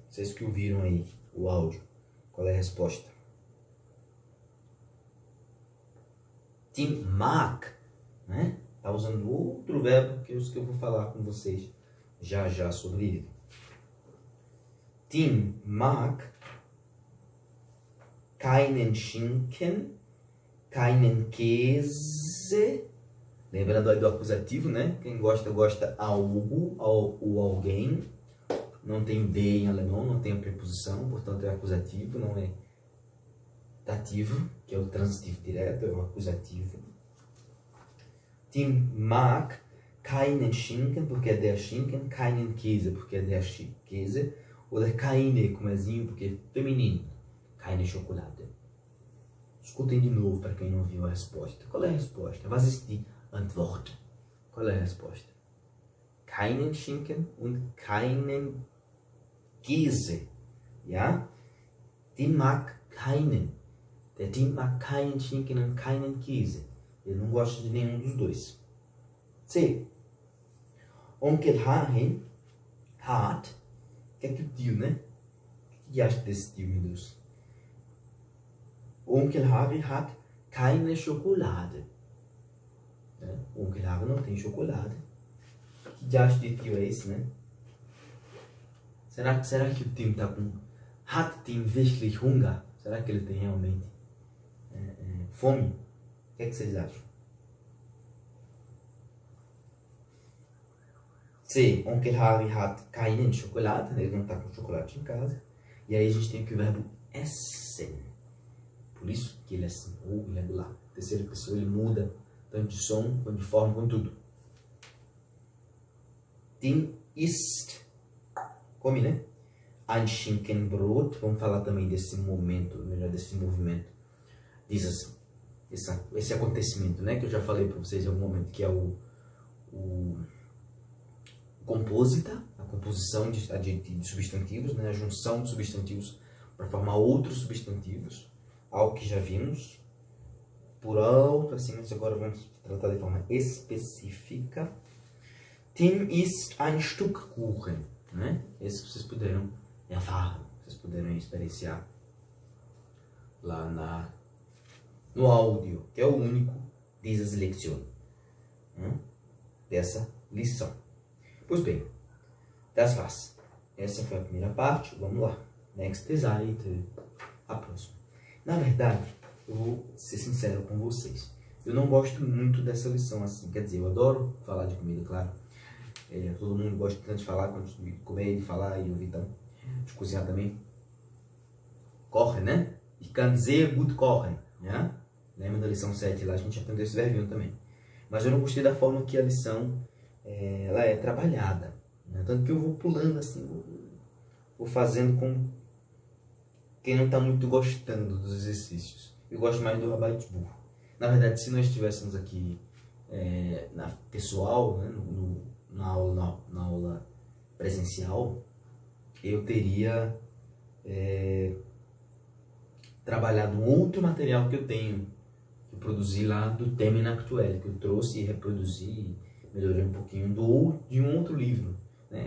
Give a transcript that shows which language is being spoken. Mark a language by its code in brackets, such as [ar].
[pt] Vocês que ouviram aí o áudio, qual é a resposta? [de] Tim mag. [pt] Né? Tá usando outro verbo que é isso que eu vou falar com vocês já já sobre ele. [de] Tim mag. Keinen Schinken, keinen Käse, [pt] Lembrando aí do acusativo, né? Quem gosta, gosta algo ou alguém. Não tem o D em alemão, não tem a preposição, portanto é acusativo, não é dativo, que é o transitivo direto, é o acusativo. [de] Tim mag keinen Schinken, [pt] porque é [de] der Schinken, keinen Käse, [pt] porque é [de] der Käse, [pt] ou der keine, como ézinho, porque é feminino, [de] keine Schokolade. [pt] Escutem de novo para quem não viu a resposta. Qual é a resposta? [de] Was ist die Antwort? [pt] Qual é a resposta? [de] Keinen Schinken und keinen Käse. Ja? Tim mag keinen. Der Tim mag keinen Schinken und keinen Käse. [pt] Ele não gosta de nenhum dos dois. [de] C. Onkel Harry hat. [pt] O que é que o tio, né? O que acha desse tio, meu Deus? [de] Onkel Harry hat keine Schokolade. [pt] Né? Onkel Harry não tem chocolate. Que diacho de tio é esse, né? Será que o Tim tá com... [de] Hat Tim wirklich Hunger? [pt] Será que ele tem realmente fome? O que é que vocês acham? C. [de] Onkel Harry hat keinen Schokolade. [pt] Ele não tá com chocolate em casa. E aí a gente tem aqui o verbo essen. Por isso que ele é assim, ou irregular. Terceira pessoa, ele muda tanto de som, quanto de forma, quanto tudo. [de] Tim ist, [pt] come, né? [de] Ein Schinkenbrot, [pt] vamos falar também desse momento, melhor, desse movimento. Diz assim, esse acontecimento, né? Que eu já falei para vocês em algum momento, que é o composita, a composição de substantivos, né? A junção de substantivos para formar outros substantivos, ao que já vimos, por alto, assim, mas agora vamos tratar de forma específica. [de] Tim ist ein Stück Kuchen, né? [pt] Esse vocês puderam erfahren, vocês puderam experienciar lá no áudio, que é o único [de] dieses Lektion, [pt] né? Dessa lição. Pois bem, [de] das war's. [pt] Essa foi a primeira parte, vamos lá. [en] Next slide, [pt] a próxima. Na verdade, eu vou ser sincero com vocês. Eu não gosto muito dessa lição assim. Quer dizer, eu adoro falar de comida, claro. Todo mundo gosta tanto de falar quanto de comer, de falar e ouvir então, de cozinhar também. [de] Kochen, né? Ich kann sehr gut kochen, né? [pt] Lembra da lição 7 lá? A gente aprendeu esse verbinho também. Mas eu não gostei da forma que a lição ela é trabalhada, né? Tanto que eu vou pulando assim, vou fazendo com quem não está muito gostando dos exercícios. Eu gosto mais do Arbeitsbuch. Na verdade, se nós estivéssemos aqui na pessoal, né, na aula presencial, eu teria trabalhado um outro material que eu tenho, que eu produzi lá do Termin Aktuell, que eu trouxe e reproduzi, melhorei um pouquinho de um outro livro. Né?